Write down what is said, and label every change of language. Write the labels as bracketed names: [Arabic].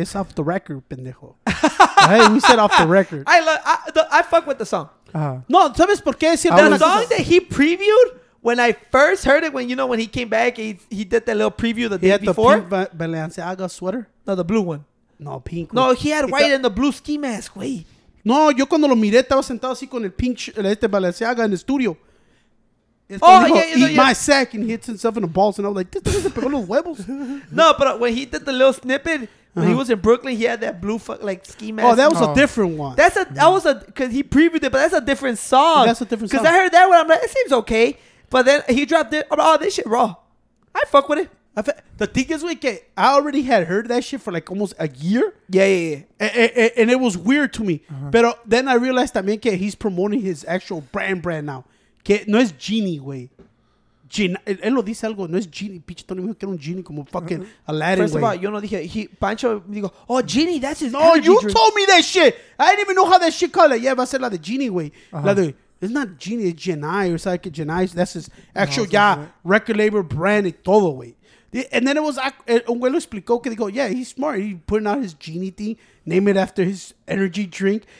[English] It's off the record, pendejo. Hey, we said off the record. I fuck with the song. [Spanish] No, ¿sabes por qué? [English] The song that he previewed, when I first heard it, when he came back, he did that little preview the day before. He had the pink Balenciaga sweater? No, the blue one. No, pink. No, he had white and the blue ski mask, güey. [Spanish] No, yo cuando lo miré, estaba sentado así con el pink Balenciaga en el estudio. [English] Yeah. Sack and hits himself in the balls, and I was like, this is a pair of huevos. No, but when he did the little snippet, when he was in Brooklyn, he had that blue ski mask. Oh, that was a different one. Because he previewed it, but that's a different song. That's a different song. Because I heard that one, I'm like, it seems okay. But then he dropped it. I'm like, oh, this shit raw. I fuck with it. The thing is, I already had heard that shit for like almost a year. Yeah. And it was weird to me. Uh-huh. But then I realized that he's promoting his actual brand now. [Spanish] Que no es genie, güey. Él lo dice algo. No es genie. Pinche Tony me dijo que era un genie como fucking Aladdin, [English] güey. First of all, [Spanish] yo no dije. Pancho me dijo, [English] oh, genie, that's his energy drink. Told me that shit. I didn't even know how that shit called it. Yeah, [Spanish] va a ser la de genie, güey. La de, [English] it's not genie, it's Genai. It's like Genai. That's his actual, record label brand [Spanish] y todo, güey. [English] And then it was, [Spanish] un güey lo explicó que dijo, [English] yeah, he's smart. He's putting out his genie thing, name it after his energy drink.